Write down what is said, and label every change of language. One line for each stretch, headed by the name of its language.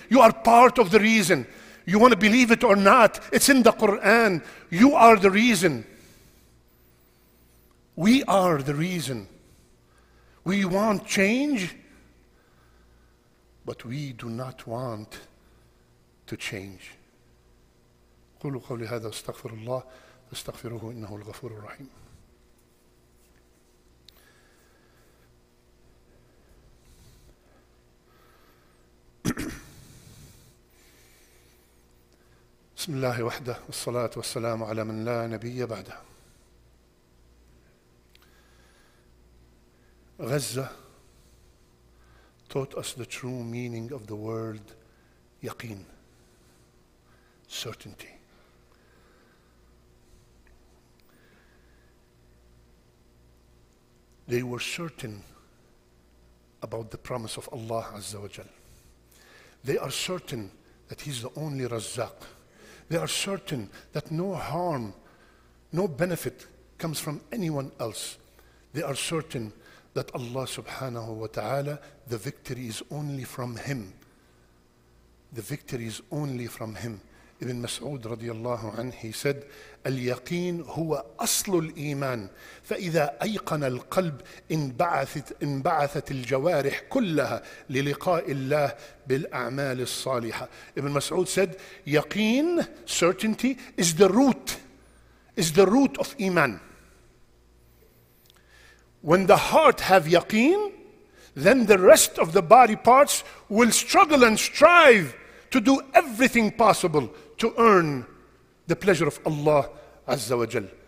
English: You are part of the reason. You want to believe it or not, it's in the Quran. You are the reason. We are the reason. We want change, but we do not want to change.
Arabic: قولوا قولي هذا استغفر الله استغفره إنه الغفور الرحيم. بسم الله وحده والصلاة والسلام على من لا نبي بعده.
English: غزة taught us the true meaning of the word يقين, certainty. They were certain about the promise of Allah Azza wa Jal. They are certain that He's the only Razzaq. They are certain that no harm, no benefit comes from anyone else. They are certain that Allah subhanahu wa ta'ala, the victory is only from Him. The victory is only from Him.
Arabic: Ibn Mas'ud radiallahu anhu,
English: he said,
Arabic: اليقين هو أصل الإيمان فإذا أيقن القلب انبعثت الجوارح كلها للقاء الله بالأعمال الصالحة.
English: Ibn Mas'ud said, يقين, certainty, is the root of إيمان. When the heart have يقين, then the rest of the body parts will struggle and strive to do everything possible to earn the pleasure of Allah Azza wa Jal.